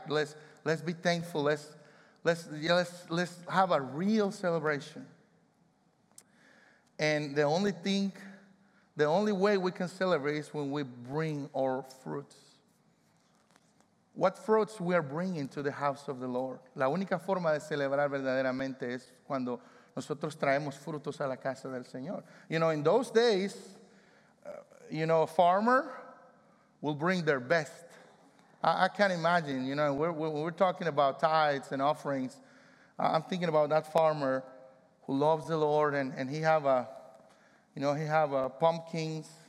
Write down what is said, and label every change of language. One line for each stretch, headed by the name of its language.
English: Let's be thankful. Let's have a real celebration. And the only way we can celebrate is when we bring our fruits. What fruits we are bringing to the house of the Lord.
Spanish: La única forma de celebrar verdaderamente es cuando nosotros traemos frutos a la casa del Señor.
English: You know, in those days, you know, a farmer will bring their best. I can't imagine, you know, we're talking about tithes and offerings. I'm thinking about that farmer who loves the Lord and he have a, you know, he have a pumpkins.